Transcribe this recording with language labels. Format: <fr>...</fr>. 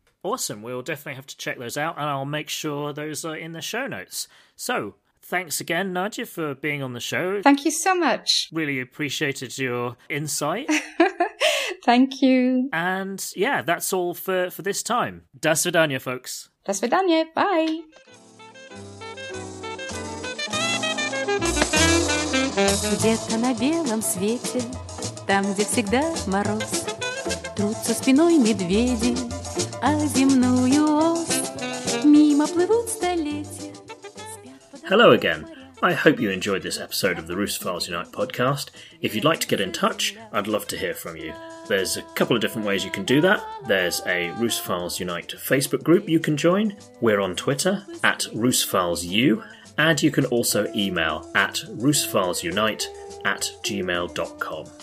<en>Awesome. We'll definitely have to check those out and I'll make sure those are in the show notes. So thanks again, Nadia, for being on the show. Thank you so much. Really appreciated your insight. Thank you. And yeah, that's all for this time.</en> <ru>До свидания,</ru> <en>folks.</en> <ru>До свидания.</ru> <en>Bye.</en> <ru>Где-то на белом свете, там, где всегда мороз, трутся спиной медведи, а земную ось мимо плывут столетия.</ru> <en>Hello again. I hope you enjoyed this episode of the Russ Files Unite podcast. If you'd like to get in touch, I'd love to hear from you. There's a couple of different ways you can do that. There's a Russ Files Unite Facebook group you can join. We're on Twitter at RussFilesU. And you can also email at RussFilesUnite@gmail.com.</en>